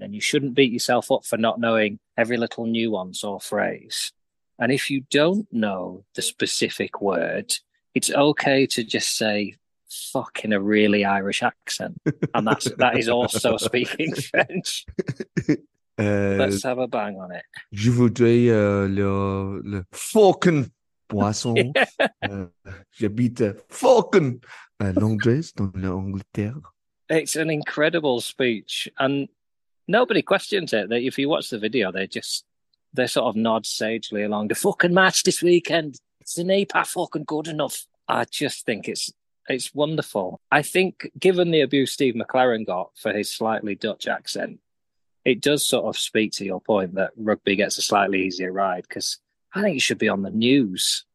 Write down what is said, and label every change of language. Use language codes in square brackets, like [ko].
[en] And you shouldn't beat yourself up for not knowing every little nuance or phrase. And if you don't know the specific word, it's okay to just say fuck in a really Irish accent. And that is also speaking French. Let's have a bang on it. [fr] Je voudrais le [en] fucking [fr] boisson. J'habite [en] fucking [fr] Londres, dans l'Angleterre. [en] It's an incredible speech. And nobody questions it. That if you watch the video, they sort of nod sagely along. The fucking match this weekend, it's an APA fucking good enough. I just think it's wonderful. I think given the abuse Steve McLaren got for his slightly Dutch accent, it does sort of speak to your point that rugby gets a slightly easier ride because I think it should be on the news.